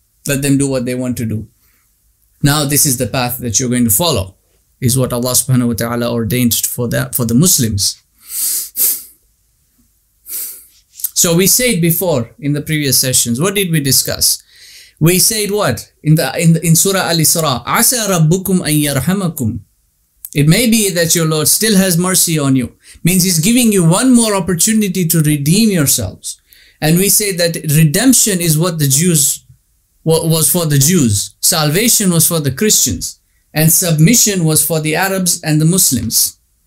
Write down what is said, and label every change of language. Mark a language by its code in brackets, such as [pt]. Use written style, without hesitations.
[en] Let them do what they want to do. Now this is the path that you're going to follow, is what Allah subhanahu wa ta'ala ordained for the Muslims. So we said before in the previous sessions, what did we discuss? We said what? In Surah Al-Isra, [ar] عَسَى رَبُّكُمْ أَن يَرْحَمَكُمْ. [en] It may be that your Lord still has mercy on you. Means He's giving you one more opportunity to redeem yourselves. And we say that redemption is what the Jews, what was for the Jews. Salvation was for the Christians. And submission was for the Arabs and the Muslims.